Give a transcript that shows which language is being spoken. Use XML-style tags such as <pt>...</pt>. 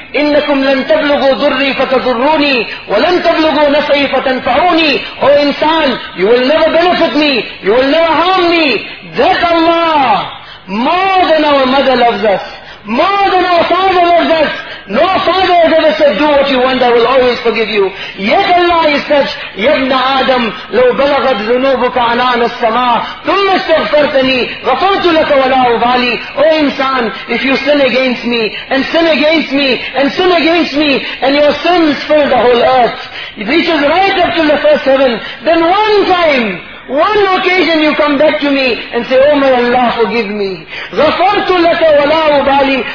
<ar>إِنَّكُمْ لَنْ تَبْلُغُوا ذُرِّي فَتَذُرُّونِي وَلَنْ تَبْلُغُوا نَفْعِي فَتَنْفَعُونِي.</ar> <en>O insan, you will never benefit me, you will never harm me. That Allah, more than our mother loves us, more than our father loves us. No father has ever said, do what you want, I will always forgive you. Yet Allah is such,</en> <ar>يَبْنَ آدَمْ لَوْ بَلَغَتْ ذُنُوبُكَ عَنَانَ السَّمَاءِ ثُمَّ اسْتَغْفَرْتَنِي غَفَرْتُ لَكَ وَلَا أُبَالِي.</ar> <en>O insan, if you sin against me, and sin against me, and sin against me, and your sins fill the whole earth, it reaches right up to the first heaven, then one time, one occasion you come back to me and say, oh my Allah, forgive me.</en> <ar>غَفَرْتُ لَكَ وَلَا أُبَالِي.</ar>